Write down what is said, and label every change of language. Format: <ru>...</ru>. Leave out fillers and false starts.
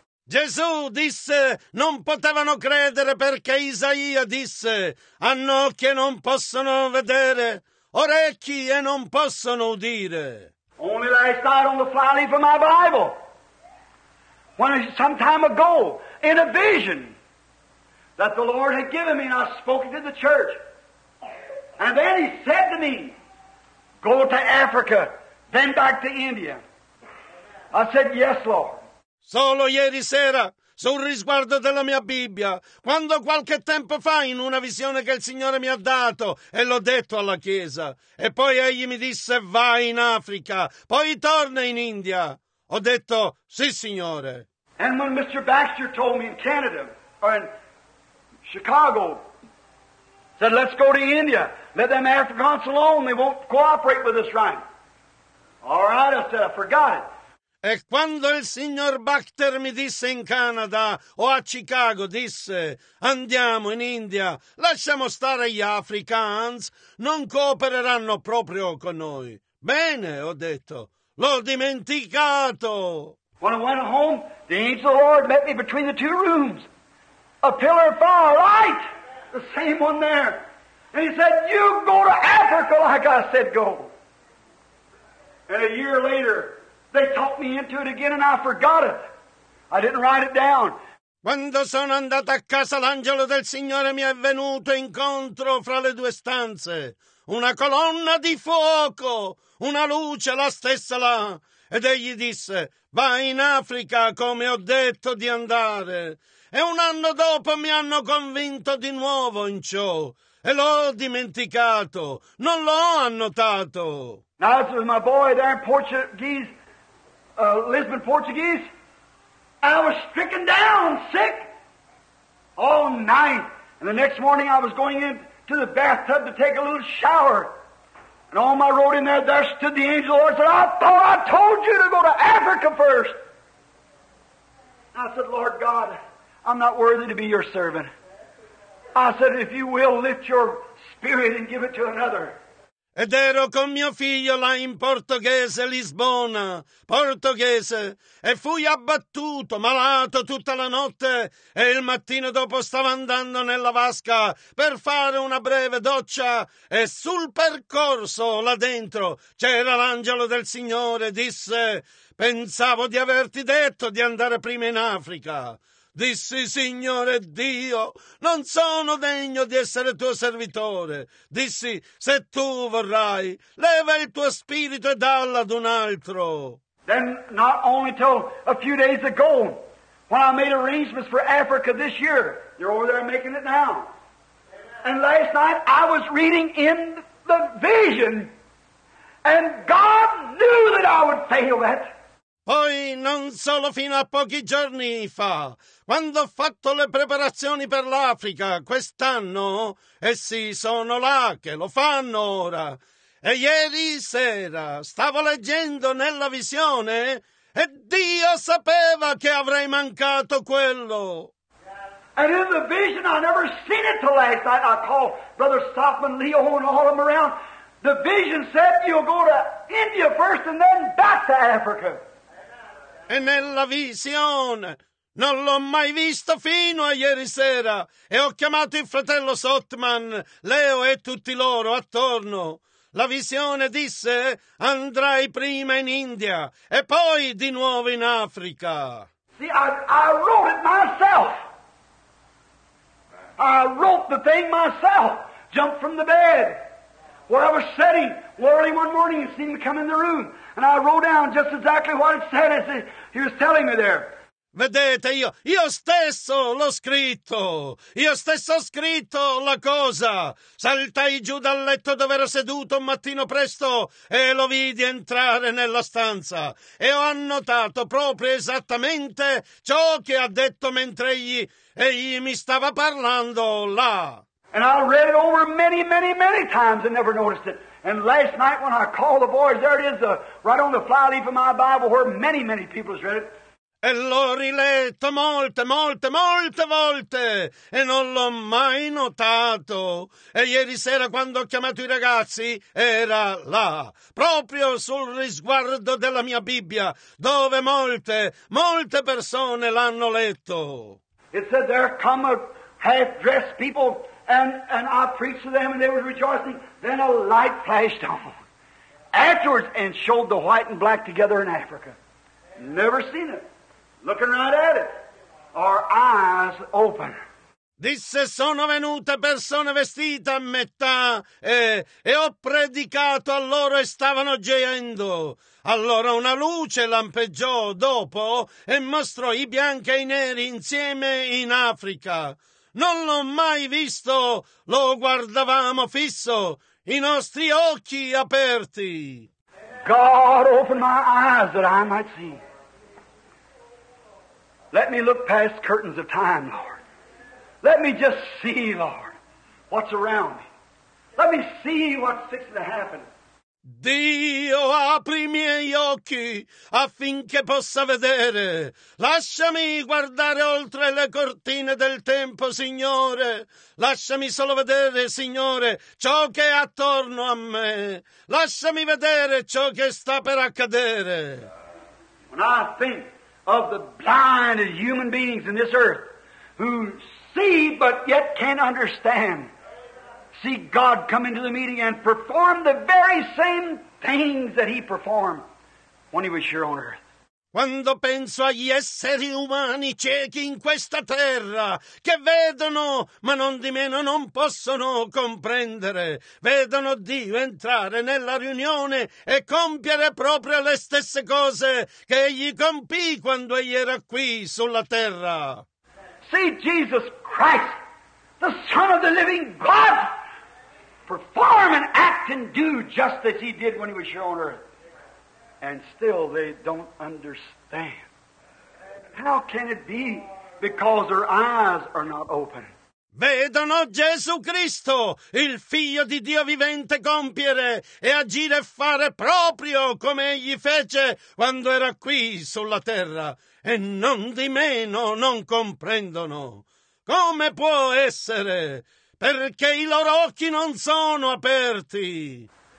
<it>Gesù disse non potevano credere perché Isaia disse hanno occhi e non possono vedere, orecchi e non possono udire.</it> <en>Only last night on the flyleaf of my Bible. When some time ago, in a vision that the Lord had given me, and I spoke to the church, and then he said to me, go to Africa, then back to India. I said, yes, Lord.</en> <it>Solo ieri sera, sul risguardo della mia Bibbia, quando qualche tempo fa in una visione che il Signore mi ha dato, e l'ho detto alla Chiesa, e poi egli mi disse, vai in Africa, poi torna in India. Ho detto, sì, Signore.</it> <en>And when Mr. Baxter told me in Canada, or in Chicago, said, let's go to India. Let them Africans alone. They won't cooperate with us, right? All right, I said, I forgot it.</en> <it>E quando il signor Baxter mi disse in Canada, o a Chicago, disse, andiamo in India, lasciamo stare gli Africans, non coopereranno proprio con noi. Bene, ho detto. L'ho dimenticato.</it> <en>When I went home, the angel of the Lord met me between the two rooms. A pillar of fire, light, the same one there. And he said, you go to Africa like I said go. And a year later, they talked me into it again, and I forgot it. I didn't write it down.</en> <it>Quando sono andato a casa, l'angelo del Signore mi è venuto incontro fra le due stanze. Una colonna di fuoco, una luce, la stessa là. Ed egli disse, vai in Africa come ho detto di andare. E un anno dopo mi hanno convinto di nuovo in ciò. E l'ho dimenticato, non l'ho annotato.</it> <en>Now this was my boy there in Portuguese, Lisbon, Portuguese. I was stricken down, sick, all night. And the next morning I was going into the bathtub to take a little shower. And on my road in there stood the angel of the Lord and said, I thought I told you to go to Africa first. I said, Lord God, I'm not worthy to be your servant. I said, if you will, lift your spirit and give it to another.</en> <it>Ed ero con mio figlio là in Portoghese, Lisbona, Portoghese, e fui abbattuto, malato tutta la notte, e il mattino dopo stavo andando nella vasca per fare una breve doccia, e sul percorso là dentro c'era l'angelo del Signore, disse, pensavo di averti detto di andare prima in Africa. Dissi, Signore Dio, non sono degno di essere tuo servitore. Dissi, se tu vorrai, leva il tuo spirito e dallo ad un altro.</it> <en>Then, not only till a few days ago, when I made arrangements for Africa this year, you're over there making it now. And last night I was reading in the vision, and God knew that I would fail that.</en> <it>Poi, non solo fino a pochi giorni fa, quando ho fatto le preparazioni per l'Africa, quest'anno, essi sono là che lo fanno ora. E ieri sera stavo leggendo nella visione e Dio sapeva che avrei mancato quello.</it> <en>And in the vision, I never seen it till last night. I called Brother Stoffman, Leo, and all of them around. The vision said you'll go to India first and then back to Africa.</en> <it>E nella visione non l'ho mai visto fino a ieri sera e ho chiamato il fratello Sotman, Leo e tutti loro attorno. La visione disse andrai prima in India e poi di nuovo in Africa.</it> <en>See, I wrote it myself. I wrote the thing myself. Jumped from the bed where I was sitting early one morning and seen him come in the room. And I wrote down just exactly what it said as he was telling me there.</en> <it>Vedete, io stesso l'ho scritto. Io stesso ho scritto la cosa. Saltai giù dal letto dove ero seduto un mattino presto e lo vidi entrare nella stanza. E ho annotato proprio esattamente ciò che ha detto mentre egli mi stava parlando là.</it> <en>And I read it over many, many, many times and never noticed it. And last night when I called the boys, there it is, right on the flyleaf of my Bible where many, many people have read it.</en> <it>E l'ho riletto molte, molte, molte volte e non l'ho mai notato. E ieri sera quando ho chiamato i ragazzi era là, proprio sul risguardo della mia Bibbia, dove molte, molte persone l'hanno letto.</it> <en>It said there come a half-dressed people and I preached to them and they were rejoicing. Then a light flashed on afterwards and showed the white and black together in Africa. Never seen it. Looking right at it. Our eyes open.</en> <it>Disse, sono venute persone vestite a metà e ho predicato a loro e stavano gioendo. Allora una luce lampeggiò dopo e mostrò i bianchi e i neri insieme in Africa. Non l'ho mai visto, lo guardavamo fisso. I nostri occhi aperti.</it> <en>God, open my eyes that I might see. Let me look past curtains of time, Lord. Let me just see, Lord, what's around me. Let me see what's fixing to happen.</en> <it>Dio, apri i miei occhi affinché possa vedere. Lasciami guardare oltre le cortine del tempo, Signore. Lasciami solo vedere, Signore, ciò che è attorno a me. Lasciami vedere ciò che sta per accadere.</it> <en>When I think of the blinded human beings in this earth who see but yet can't understand, see God come into the meeting and perform the very same things that he performed when he was here on earth.</en> <it>Quando penso agli esseri umani ciechi in questa terra, che vedono, ma non di meno non possono comprendere, vedono Dio entrare nella riunione e compiere proprio le stesse cose che egli compì quando egli era qui sulla terra.</it> <en>See Jesus Christ, the Son of the Living God, perform and act and do just as he did when he was here on earth. And still they don't understand. How can it be? Because their eyes are not open.</en> <it>Vedono Gesù Cristo, il Figlio di Dio vivente, compiere e agire e fare proprio come egli fece quando era qui sulla terra. E non di meno non comprendono. Come può essere? Perché i loro occhi non sono aperti.</it>